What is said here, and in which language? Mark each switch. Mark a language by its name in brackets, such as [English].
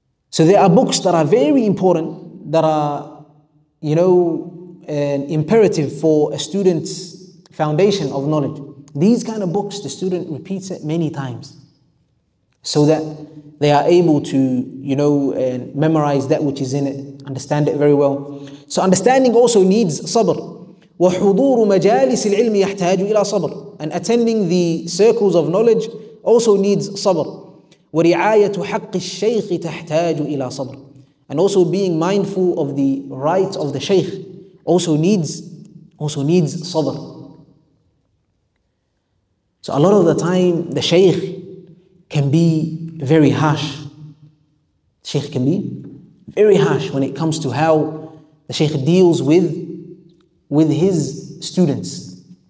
[English] So there are books that are very important, that are, you know, an imperative for a student's foundation of knowledge. These kind of books, the student repeats it many times, so that they are able to, you know, memorize that which is in it, understand it very well. So understanding also needs sabr. [Arabic] وحضور مجالس العلم يحتاج إلى صبر. [English] And attending the circles of knowledge also needs sabr. [Arabic] ورعاية حق الشيخ تحتاج إلى صبر. [English] And also being mindful of the rights of the sheikh also needs sabr. So a lot of the time, the sheikh can be very harsh. Sheikh can be very harsh when it comes to how the Sheikh deals with his students.